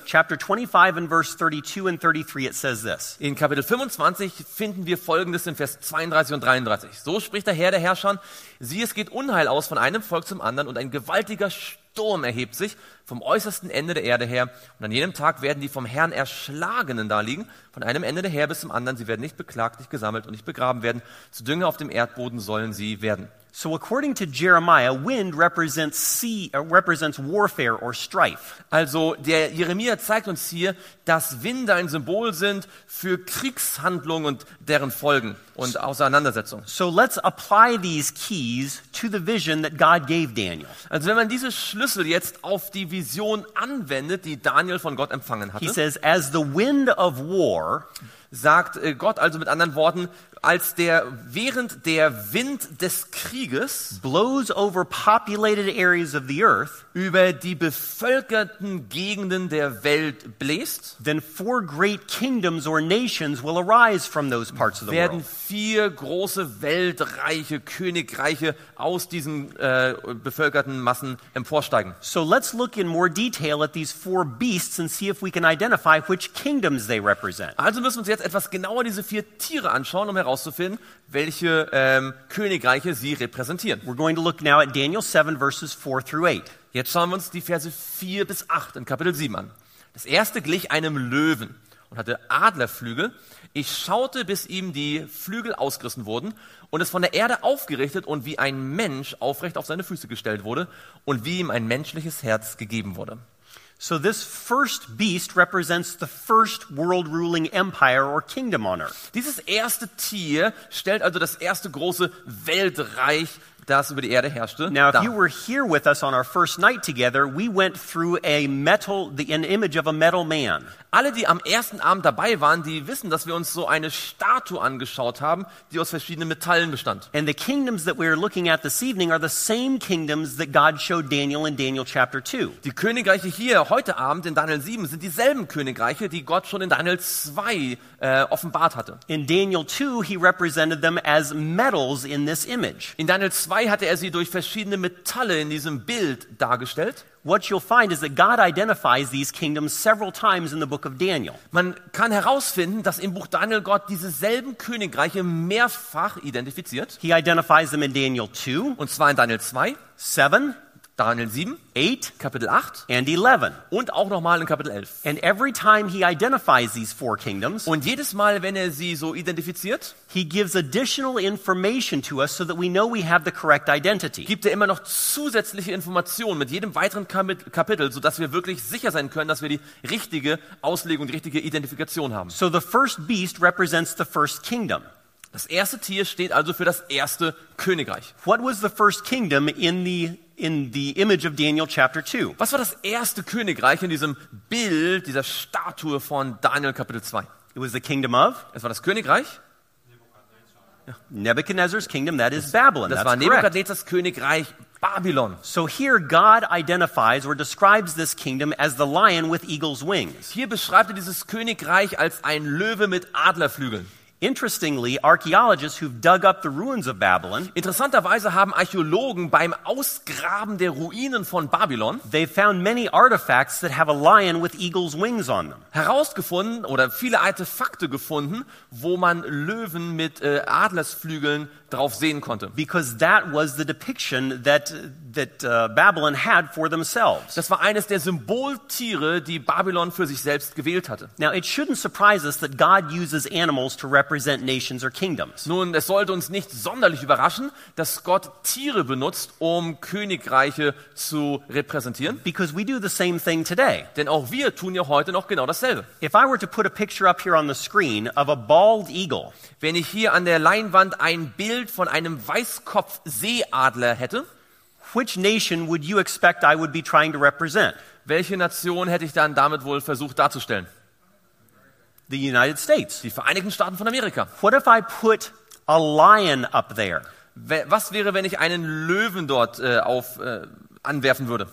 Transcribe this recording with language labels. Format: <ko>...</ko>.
<en>chapter 25 and verse 32 and 33, it says this.</en> <de>In Kapitel 25 finden wir Folgendes in Vers 32 und 33. So spricht der Herr der Herrscher: Sieh, es geht Unheil aus von einem Volk zum anderen und ein gewaltiger Sturm erhebt sich vom äußersten Ende der Erde her. Und an jenem Tag werden die vom Herrn Erschlagenen daliegen, von einem Ende der Erde bis zum anderen. Sie werden nicht beklagt, nicht gesammelt und nicht begraben werden. Zu Dünger auf dem Erdboden sollen sie werden.</de> <en>So according to Jeremiah, wind represents sea, represents warfare or strife.</en> <de>Also der Jeremia zeigt uns hier, dass Winde ein Symbol sind für Kriegshandlungen und deren Folgen und Auseinandersetzungen.</de> <en>So let's apply these keys to the vision that God gave Daniel.</en> <de>Also wenn man diese Schlüssel jetzt auf die Vision anwendet, die Daniel von Gott empfangen hatte.</de> <en>He says, as the wind of war,</en> <de>sagt Gott also mit anderen Worten, als der während der Wind des Krieges</de> <en>blows over populated areas of the earth,</en> <de>über die bevölkerten Gegenden der Welt bläst,</de> <en>then four great kingdoms or nations will arise from those parts of the</en> <de>werden</de> <en>world.</en> <de>Vier große Weltreiche, Königreiche aus diesen bevölkerten Massen emporsteigen.</de> <en>So let's look in more detail at these four beasts and see if we can identify which kingdoms they represent.</en> <de>Also müssen wir uns jetzt etwas genauer diese vier Tiere anschauen, um herauszufinden, welche Königreiche sie repräsentieren.</de> <en>We're going to look now at Daniel 7 verses 4 through 8.</en> <de>Jetzt schauen wir uns die Verse 4 bis 8 in Kapitel 7 an. Das erste glich einem Löwen und hatte Adlerflügel. Ich schaute, bis ihm die Flügel ausgerissen wurden und es von der Erde aufgerichtet und wie ein Mensch aufrecht auf seine Füße gestellt wurde und wie ihm ein menschliches Herz gegeben wurde.</de> <en>So this first beast represents the first world ruling empire or kingdom on earth.</en> <de>Dieses erste Tier stellt also das erste große Weltreich, das über die Erde herrschte.</de> <en>Now, if you were here with us on our first night together, we went through an image of a metal man.</en> <de>Alle, die am ersten Abend dabei waren, die wissen, dass wir uns so eine Statue angeschaut haben, die aus verschiedenen Metallen bestand.</de> <en>And the kingdoms that we are looking at this evening are the same kingdoms that God showed Daniel in Daniel chapter 2.</en> <de>Die Königreiche hier heute Abend in Daniel 7 sind dieselben Königreiche, die Gott schon in Daniel 2 offenbart hatte.</de> <en>In Daniel 2 he represented them as metals in this image.</en> <de>In Daniel 2 hatte er sie durch verschiedene Metalle in diesem Bild dargestellt.</de> <en>What you'll find is that God identifies these kingdoms several times in the book of Daniel.</en> <de>Man kann herausfinden, dass im Buch Daniel Gott dieselben Königreiche mehrfach identifiziert.</de> <en>He identifies them in Daniel 2,</en> <de>und zwar in Daniel 2,</de> <en>7,</en> <de>Daniel 7,</de> <en>8,</en> <de>Kapitel 8,</de> <en>and 11,</en> <de>und auch nochmal in Kapitel 11.</de> <en>And every time he identifies these four kingdoms,</en> <de>und jedes Mal, wenn er sie so identifiziert,</de> <en>he gives additional information to us so that we know we have the correct identity.</en> <de>Gibt er immer noch zusätzliche Informationen mit jedem weiteren Kapitel, so dass wir wirklich sicher sein können, dass wir die richtige Auslegung, die richtige Identifikation haben.</de> <en>So the first beast represents the first kingdom.</en> <de>Das erste Tier steht also für das erste Königreich.</de> <en>What was the first kingdom in the image of Daniel chapter 2?</en> <de>Was war das erste Königreich in diesem Bild, dieser Statue von Daniel Kapitel 2?</de> <en>It was the kingdom of?</en> <de>Es war das Königreich</de> <en>Nebuchadnezzar's kingdom, that is Babylon.</en> <de>Das war Nebuchadnezzars Königreich Babylon.</de> <en>So here God identifies or describes this kingdom as the lion with eagle's wings.</en> <de>Hier beschreibt er dieses Königreich als ein Löwe mit Adlerflügeln.</de> <en>Interestingly, archaeologists who've dug up the ruins of Babylon,</en> <de>interessanterweise haben Archäologen beim Ausgraben der Ruinen von Babylon,</de> <en>they found many artifacts that have a lion with eagle's wings on them.</en> <de>Herausgefunden oder viele Artefakte gefunden, wo man Löwen mit Adlersflügeln drauf sehen konnte.</de> <en>Because that was the depiction that Babylon had for themselves.</en> <de>Das war eines der Symboltiere, die Babylon für sich selbst gewählt hatte.</de> <en>Now it shouldn't surprise us that God uses animals to represent nations or kingdoms.</en> <de>Nun, es sollte uns nicht sonderlich überraschen, dass Gott Tiere benutzt, um Königreiche zu repräsentieren.</de> <en>Because we do the same thing today.</en> <de>Denn auch wir tun ja heute noch genau dasselbe.</de> <en>If I were to put a picture up here on the screen of a bald eagle,</en> <de>wenn ich hier an der Leinwand ein Bild von einem Weißkopfseeadler hätte,</de> <en>which nation would you expect I would be trying to represent?</en> <de>Welche Nation hätte ich dann damit wohl versucht darzustellen?</de> <en>The United States.</en> <de>Die Vereinigten Staaten von Amerika.</de> <en>What if I put a lion up there?</en> <de>Was wäre, wenn ich einen Löwen dort anwerfen würde?</de>